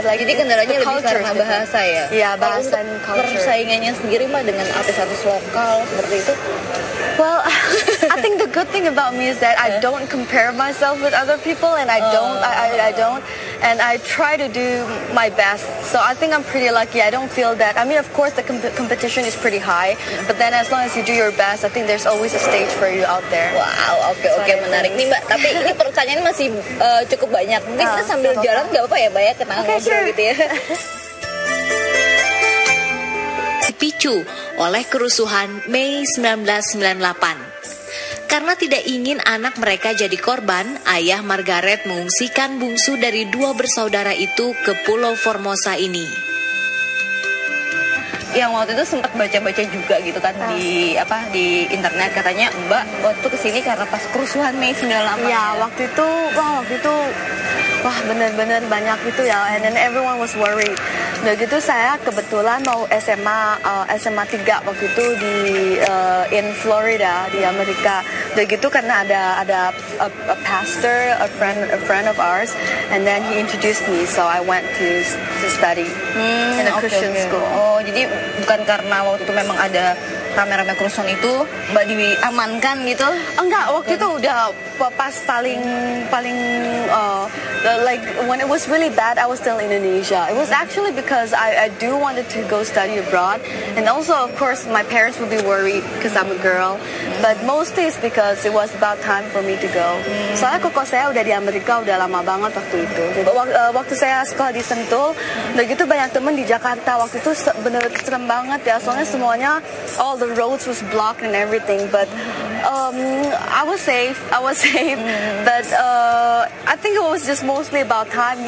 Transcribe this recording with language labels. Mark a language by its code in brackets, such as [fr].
[en] Like, [id] jadi kendalanya lebih karena bahasa ya? Iya, bahasa dan culture. Persaingannya sendiri mah dengan artis-artis lokal seperti itu? [en] Well, I think the good thing about me is that I don't compare myself with other people, and I don't, and I try to do my best. So I think I'm pretty lucky. I don't feel that. I mean, of course, the competition is pretty high, but then as long as you do your best, I think there's always a stage for you out there. [id] Wow, okay, menarik nih, Mbak. Tapi ini pertanyaan masih cukup banyak. Mungkin kita sambil jalan nggak apa-apa ya, Mbak, ya, kenal ngobrol gitu ya. Dipicu oleh kerusuhan Mei 1998. Karena tidak ingin anak mereka jadi korban, ayah Margaret mengungsikan bungsu dari dua bersaudara itu ke Pulau Formosa ini. Yang waktu itu sempat baca-baca juga gitu kan di apa di internet, katanya Mbak waktu kesini karena pas kerusuhan Mei 98. Ya, waktu itu benar-benar banyak gitu ya, [en] and then everyone was worried. [id] Nah gitu saya kebetulan mau SMA SMA 3 waktu itu di in Florida di Amerika. Nah gitu karena ada [en] a pastor, a friend of ours, and then he introduced me, so I went to study in a Christian school. [id] Oh, jadi bukan karena waktu itu memang ada rame-rame kerusuhan itu Mbak diamankan gitu? Enggak, waktu itu udah pas paling [en] like when it was really bad, I was still in Indonesia. It was actually because I do wanted to go study abroad, and also of course my parents would be worried because I'm a girl, but mostly it's because it was about time for me to go. [id] Soalnya koko saya udah di Amerika udah lama banget waktu itu. Waktu saya sekolah di Sentul, begitu banyak teman di Jakarta waktu itu, bener serem banget ya, soalnya semuanya [en] all the roads was blocked and everything, but I was safe, but I think it was just mostly about time.